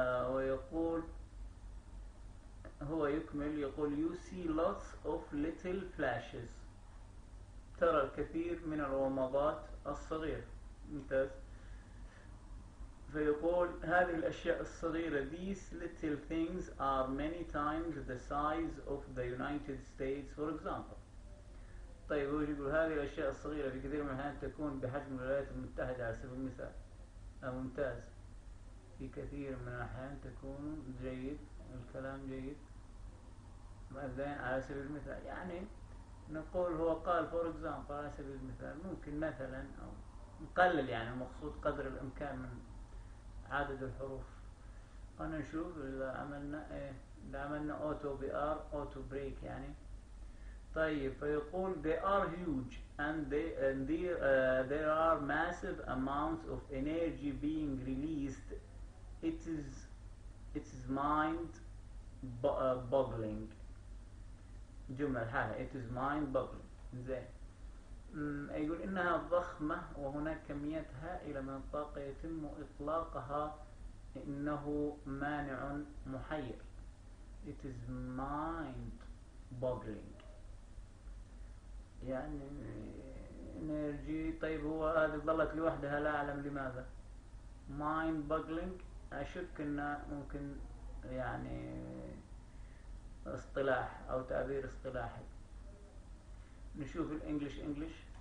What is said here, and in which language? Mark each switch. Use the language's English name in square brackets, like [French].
[Arabic] ويقول هو يكمل يقول [English] you see lots of little flashes، [Arabic] ترى الكثير من الومضات الصغيرة. ممتاز. فيقول هذه الأشياء الصغيرة، [English] these little things are many times the size of the United States for example. [Arabic] طيب هو يقول هذه الأشياء الصغيرة في كثير من الأحيان تكون بحجم الولايات المتحدة على سبيل المثال. ممتاز. في كثير من الأحيان تكون، جيد الكلام، جيد. بعدين على سبيل المثال يعني نقول هو قال [English] for example [Arabic] على سبيل المثال، ممكن مثلا أو نقلل يعني المقصود قدر الإمكان من عدد الحروف. خلنا نشوف إذا عملنا إيه، إذا عملنا أوتو بي آر أوتو بريك يعني. طيب فيقول [English] they are huge and there are massive amounts of energy being released. It is mind boggling. [Arabic] جمل حالة [English] it is mind boggling. [Arabic] زين يقول إنها ضخمة وهناك كميات هائلة من الطاقة يتم إطلاقها، إنه مانع محير. [English] It is mind boggling يعني energy. [Arabic] طيب هو هذه ظلت لوحدها لا أعلم لماذا، [English] mind boggling [Arabic] أشك إنه ممكن يعني اصطلاح أو تعبير اصطلاحي. نشوف الإنجليش إنجليش.